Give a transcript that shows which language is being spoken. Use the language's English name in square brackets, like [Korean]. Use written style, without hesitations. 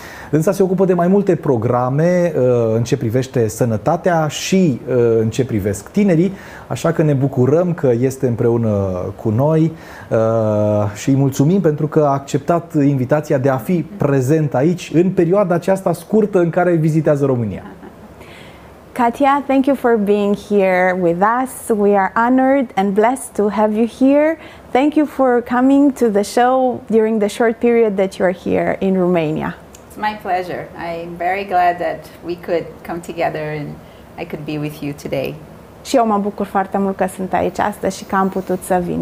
[Romanian] Însă se ocupă de mai multe programe în ce privește sănătatea și în ce privesc tinerii, așa că ne bucurăm că este împreună cu noi și îi mulțumim pentru că a acceptat invitația de a fi prezent aici în perioada aceasta scurtă în care vizitează România. [English] Katia, thank you for being here with us. We are honored and blessed to have you here. Thank you for coming to the show during the short period that you are here in Romania. It's my pleasure. I'm very glad that we could come together and I could be with you today. [Romanian] Și eu mă bucur foarte mult că sunt aici astăzi și că am putut să vin.